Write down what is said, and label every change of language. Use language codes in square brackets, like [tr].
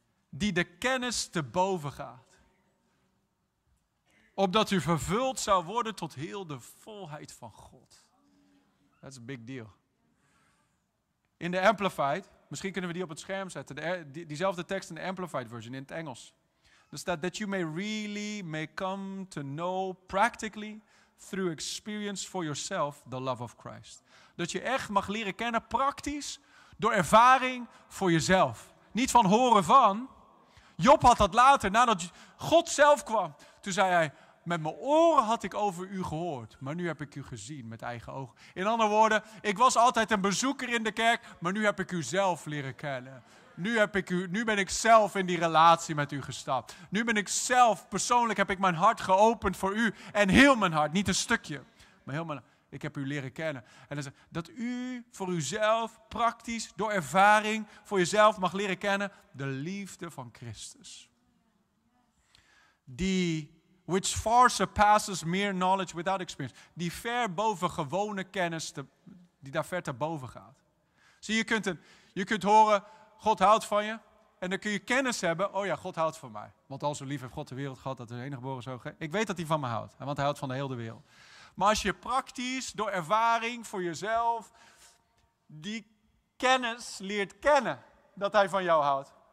[nl] Die de kennis te boven gaat. Opdat u vervuld zou worden tot heel de volheid van God. [en] That's a big deal. [nl] In de Amplified, misschien kunnen we die op het scherm zetten, diezelfde tekst in de Amplified version in het Engels. Er staat, [en] that you may really may come to know practically through experience for yourself the love of Christ. [nl] Dat je echt mag leren kennen praktisch door ervaring voor jezelf. Niet van horen van. Job had dat later, nadat God zelf kwam. Toen zei hij, met mijn oren had ik over u gehoord, maar nu heb ik u gezien met eigen ogen. In andere woorden, ik was altijd een bezoeker in de kerk, maar nu heb ik u zelf leren kennen. Nu ben ik zelf in die relatie met u gestapt. Nu ben ik zelf, persoonlijk heb ik mijn hart geopend voor u en heel mijn hart, niet een stukje. Maar heel mijn hart, ik heb u leren kennen. En dat u voor uzelf, praktisch, door ervaring, voor jezelf mag leren kennen, de liefde van Christus. Die... [en] which far surpasses mere knowledge without experience. [nl] Die ver boven gewone kennis, die daar ver te boven gaat. Zie, je kunt horen, God houdt van je. En dan kun je kennis hebben, oh ja, God houdt van mij. Want al zo lief heeft God de wereld gehad, dat is de enige geboren zoon. Ik weet dat hij van me houdt, want hij houdt van de hele wereld. Maar als je praktisch, door ervaring, voor jezelf, die kennis leert kennen, dat hij van jou houdt.